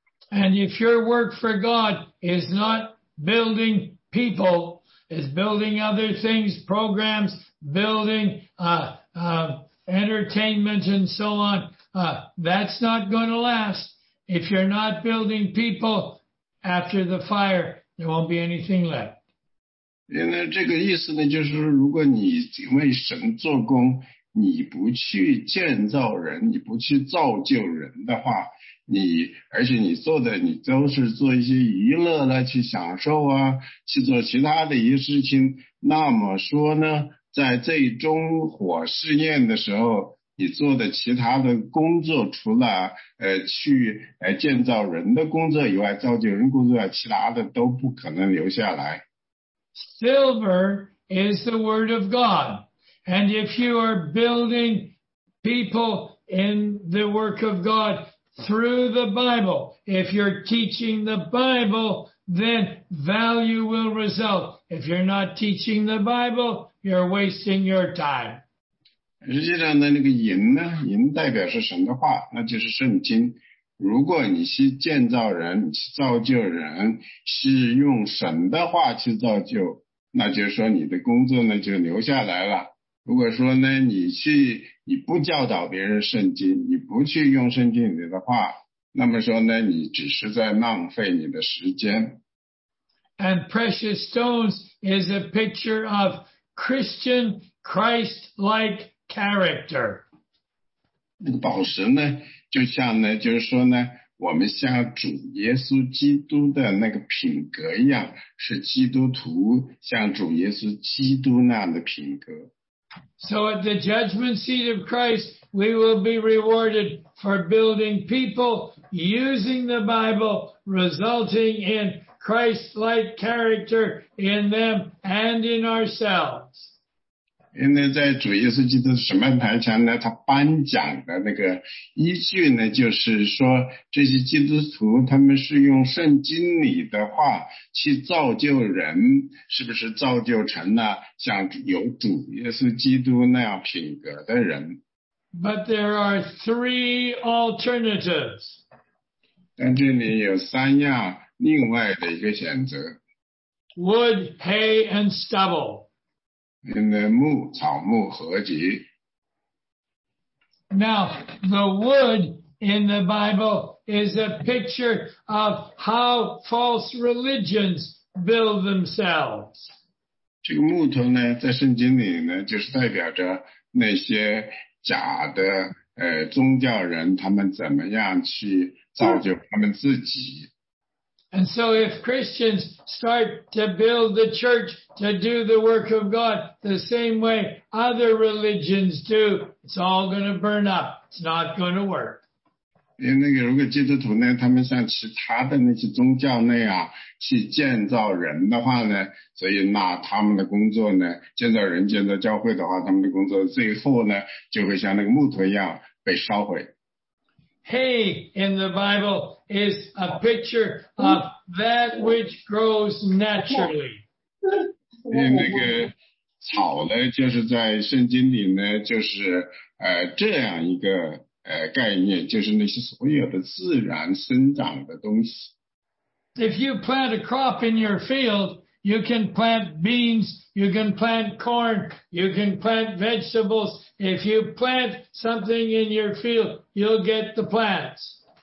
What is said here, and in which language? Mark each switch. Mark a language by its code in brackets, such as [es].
[en] And if your work for God is not building people, is building other things, programs, building entertainment and so on, that's not going to last. If you're not building people after the fire, there won't be anything left. [zh] 因为这个意思呢，就是如果你为神做工，你不去建造人，你不去造就人的话，你而且你做的你都是做一些娱乐了，去享受啊，去做其他的一些事情，那么说呢，在最终火试验的时候，你做的其他的工作，除了去建造人的工作以外，造就人工作以外，其他的都不可能留下来。 [en] Silver is the word of God, and if you are building people in the work of GodThrough the Bible, if you're teaching the Bible, then value will result. If you're not teaching the Bible, you're wasting your time. [zh] 实际上呢，那个银呢，银代表是神的话，那就是圣经。如果你是建造人，你是造就人，是用神的话去造就，那就是说你的工作呢就留下来了。如果说呢，你不教导别人圣经，你不去用圣经里的话，那么说呢，你只是在浪费你的时间。 [en] And precious stones is a picture of Christian Christ-like character. [zh] 那个宝石呢，就像呢，就是说呢，我们像主耶稣基督的那个品格一样，是基督徒像主耶稣基督那样的品格。 [en] So at the judgment seat of Christ, we will be rewarded for building people using the Bible, resulting in Christ-like character in them and in ourselves. [zh] 因为在主耶稣基督审判台前呢，他颁奖的那个依据呢，就是说这些基督徒他们是用圣经里的话去造就人，是不是造就成了像有主耶稣基督那样品格的人？ [en] But there are three alternatives. [zh] 但这里有三样另外的一个选择。 [en] Wood, hay, and stubble. In the [zh] 木草木合集。 [en] Now, the wood in the Bible is a picture of how false religions build themselves. [zh] 这个木头呢，在圣经里呢，就是代表着那些假的宗教人，他们怎么样去造就他们自己。 [en] And so if Christians start to build the church to do the work of God the same way other religions do, it's all going to burn up. It's not going to work. [zh] 因为那个如果基督徒呢，他们像其他的那些宗教那样去建造人的话呢，所以那他们的工作呢，建造人建造教会的话，他们的工作最后呢，就会像那个木头一样被烧毁。 [en] Hay in the Bible is a picture of that which grows naturally. [zh] 那个草呢，就是在圣经里呢，就是这样一个概念，就是那些所有的自然生长的东西。 [en] If you plant a crop in your field, you can plant beans, you can plant corn, you can plant vegetables. If you plant something in your field, you'll get the plants.